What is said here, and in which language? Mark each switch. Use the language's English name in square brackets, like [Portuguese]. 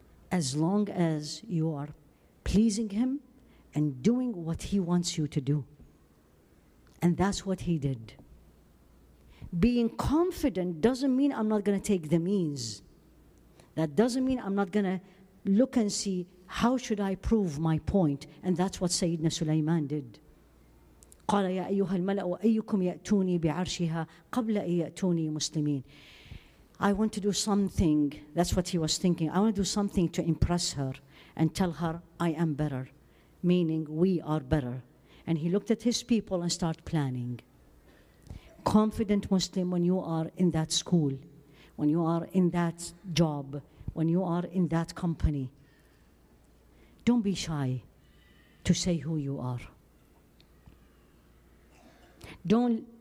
[English] As long as you are pleasing him and doing what he wants you to do. And that's what he did. Being confident doesn't mean I'm not going to take the means. That doesn't mean I'm not going to look and see how should I prove my point. And that's what Sayyidina Sulaiman did. [Arabic] قال يا أيها الملأ وأيكم يأتوني بعرشها قبل أن يأتوني مسلمين. [English] I want to do something. That's what he was thinking. I want to do something to impress her and tell her I am better. Meaning we are better. And he looked at his people and started planning. Confident Muslim, when you are in that school, when you are in that job, when you are in that company, don't be shy to say who you are. Don't